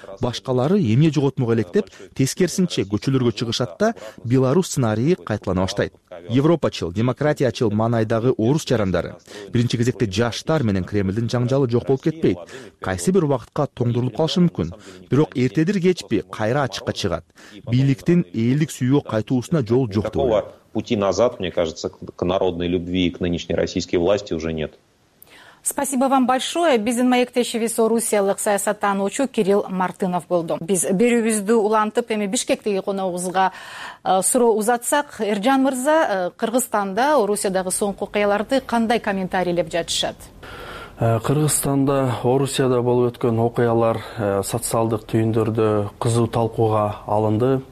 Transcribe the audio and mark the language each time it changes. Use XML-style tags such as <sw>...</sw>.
<ky>Башкалары эмне жоготмок элек деп тескерисинче көчөлөргө чыгышат да Беларусь сценарийи кайталана баштайт. Европачыл, демократиячыл маанайдагы орус жарандары, биринчи кезекте жаштар менен Кремлдин жаңжалы жок болуп кетпейт. Кайсы бир убакытка тоңдурулуп калышы мүмкүн, бирок эртедир кечпи кайра ачыкка чыгат. Бийликтин элдик сүйүүгө кайтуусуна жол жок деп ойлойм.</ky> <ru>Пути назад, мне кажется, к народной любви и к нынешней российской власти уже нет. Спасибо вам большое.</ru> <ky>Биздин маектеши Висо Русиялык саясаттануучу Кирилл Мартынов болду. Биз берүүбүздү улантып эми Бишкектеги коногубузга суроо узатсак, Эржан мырза, Кыргызстанда Орусиядагы соңку окуяларды кандай комментарийлеп жатышат? Кыргызстанда Орусияда болуп өткөн окуялар социалдык түйүндөрдө кызуу талкууга алынды.</ky>